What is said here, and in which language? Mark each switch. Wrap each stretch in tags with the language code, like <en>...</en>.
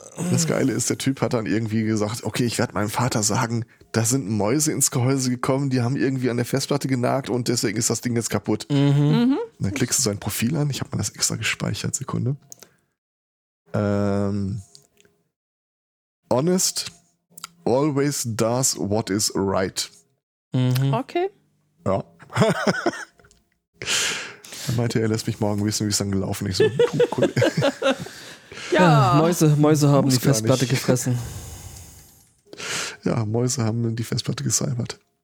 <de>Das Geile ist, der Typ hat dann irgendwie gesagt, okay, ich werde meinem Vater sagen, da sind Mäuse ins Gehäuse gekommen, die haben irgendwie an der Festplatte genagt und deswegen ist das Ding jetzt kaputt. Mhm. Mhm. Und dann klickst du sein Profil an. Ich habe mir das extra gespeichert, Sekunde.</de> <en>Honest always does what is right. Mhm.</en> <de>Okay. Ja. Dann meinte er, lässt mich morgen wissen, wie es dann gelaufen ist. So, cool. Ja, Mäuse haben die Festplatte gefressen. Ja, Mäuse haben die Festplatte gesalbert.</de>